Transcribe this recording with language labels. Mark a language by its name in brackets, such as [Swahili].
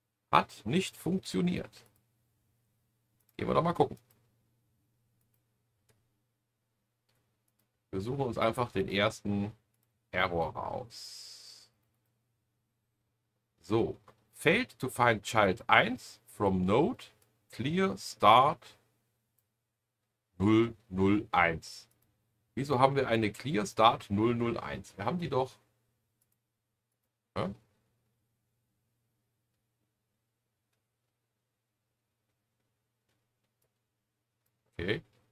[German] Hat nicht funktioniert. Gehen wir doch mal gucken. Wir suchen uns einfach den ersten Error raus. [English] So, failed to find child 1 from node. [German] Clear Start 001. Wieso haben wir eine Clear Start 001? Wir haben die doch. Ja? Okay.